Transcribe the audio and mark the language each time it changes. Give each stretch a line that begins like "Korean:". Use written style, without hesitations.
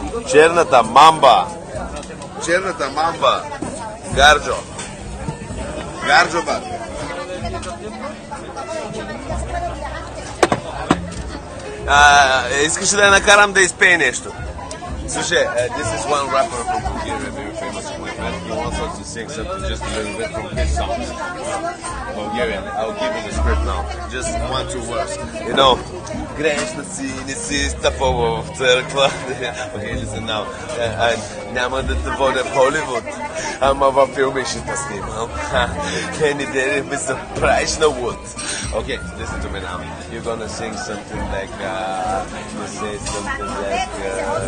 Bulgarian: Черната мамба. Черната мамба. Гарджо. Гарджо, бар. Искаш да я накарам да изпее нещо? Слушай,
English: this is one rapper from Bulgaria, very famous from my friend. He wants us to sing something just a little bit from his songs. Bulgarian, I'll give you the script now. Just one, two words. You know,
Bulgarian: грешна си, не си стъпала в църква.
English: Okay, listen now.
Bulgarian: Няма да те водя в Холивуд, ама във филми ще те снимам.
English: Any day it'll be surprise на Wood. Okay, listen to me now. You're gonna sing something like, you say something like, good.